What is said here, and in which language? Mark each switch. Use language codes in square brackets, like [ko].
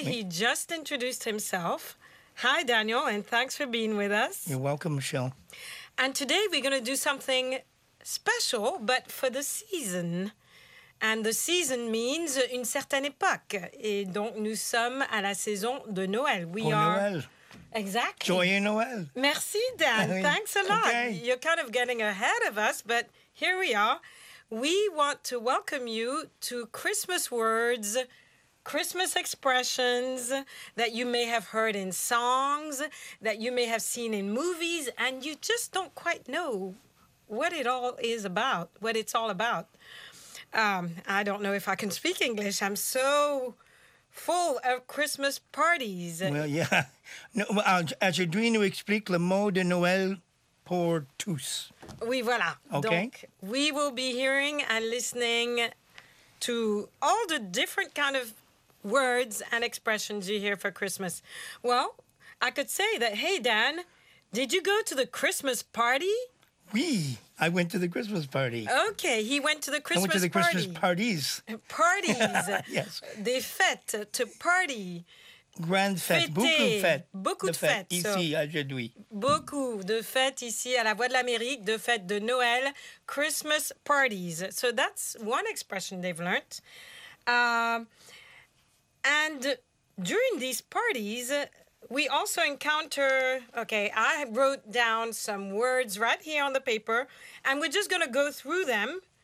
[en] Oui. He just introduced himself. Hi, Daniel, and thanks for being with us. You're welcome, Michel. And today we're going to do something special, but for the season. And the season means [fr] une certaine époque. Et donc, nous sommes à la saison de Noël. Noël. [en] Exactly. [fr] Joyeux Noël. [en] Merci, Dan. Thanks a lot. Okay. You're kind of getting ahead of us, but here we are. We want to welcome you to Christmas words, Christmas expressions that you may have heard in songs, that you may have seen in movies, and you just don't quite know what it all is about, what it's all about. I don't know if I can speak English. I'm so full of Christmas parties. Well, yeah. [fr] No, je dois nous expliquer le mot de Noël pour tous. Oui, voilà. [en] Okay. Donc, we will be hearing and listening to all the different kind of words and expressions you hear for Christmas. Well, I could say that, hey, Dan, did you go to the Christmas party? [fr] Oui. [en] I went to the Christmas party. Okay, he went to the Christmas party. I went to the Christmas parties. Parties. Yes. [fr] Des fêtes, [en] to party. [fr] Grand fête, beaucoup de fêtes. Ici, aujourd'hui. Beaucoup de fêtes ici à la Voix de l'Amérique, de fêtes de Noël, [en] Christmas parties. So that's one expression they've learned. And during these parties, We also encounter, okay, I wrote down some words right here on the paper, and we're just going to go through them.